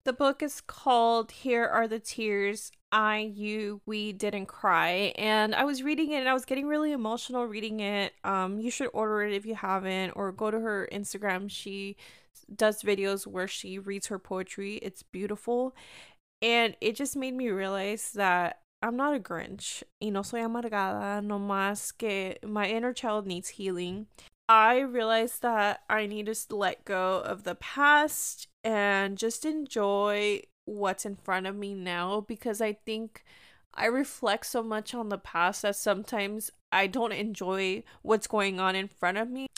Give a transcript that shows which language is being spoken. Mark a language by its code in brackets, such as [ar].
[en] The book is called Here Are the Tears I, You, We Didn't Cry. And I was reading it and I was getting really emotional reading it. You should order it if you haven't, or go to her Instagram. She does videos where she reads her poetry. It's beautiful. And it just made me realize that I'm not a Grinch. [es] Y no soy amargada, no más que my inner child needs healing. [en] I realized that I need to let go of the past and just enjoy what's in front of me now, because I think I reflect so much on the past that sometimes I don't enjoy what's going on in front of me.